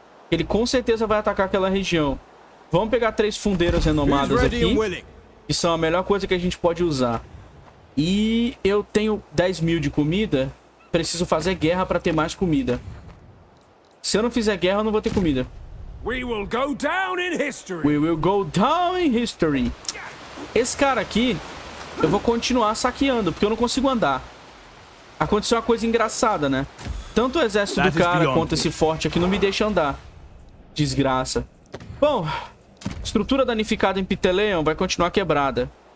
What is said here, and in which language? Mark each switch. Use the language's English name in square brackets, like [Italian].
[Portuguese] Ele com certeza vai atacar aquela região. Vamos pegar 3 fundeiras renomadas aqui. Que são a melhor coisa que a gente pode usar. E eu tenho 10.000 de comida. Preciso fazer guerra pra ter mais comida. Se eu não fizer guerra, eu não vou ter comida. [English] We will go down in history. We will go down in history. [Portuguese] Esse cara aqui, eu vou continuar saqueando, porque eu não consigo andar. Aconteceu uma coisa engraçada, né? Tanto o exército do cara quanto esse forte aqui não me deixa andar. Desgraça. Bom, estrutura danificada em Piteleon vai continuar quebrada.